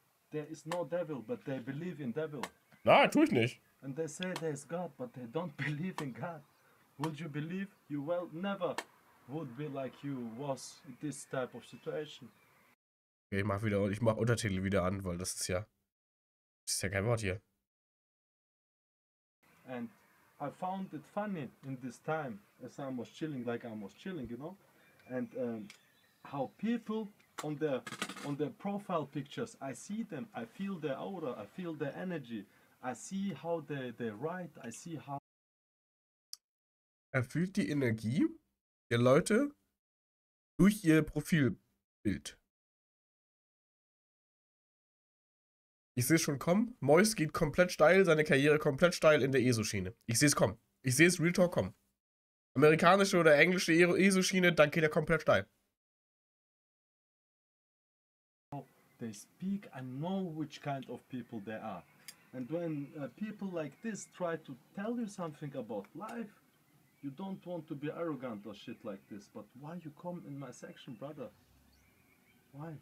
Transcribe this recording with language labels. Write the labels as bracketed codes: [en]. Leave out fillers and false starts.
[en] There is no devil, but they believe in devil. [de] Nein, tu ich nicht. [en] And they say there is God, but they don't believe in God. Would you believe? You will never would be like you was in this type of situation. [de] Okay, ich mach Untertitel wieder an, weil das ist ja kein Wort hier. [en] And I found it funny in this time, as I was chilling, you know? And how people on their profile pictures, I see them, I feel their aura, I feel their energy, I see how they write, I see how... [de] Er fühlt die Energie der Leute durch ihr Profilbild. Ich sehe es schon kommen. Mois geht komplett steil, seine Karriere komplett steil in der ESO-Schiene. Ich sehe es kommen. Ich sehe es [en] Real Talk [de] kommen. Amerikanische oder englische ESO-Schiene, dann geht er komplett steil. [en] They speak and know which kind of people they are. And when people like this try to tell you something about life, you don't want to be arrogant or shit like this. But why you come in my section, brother? Why?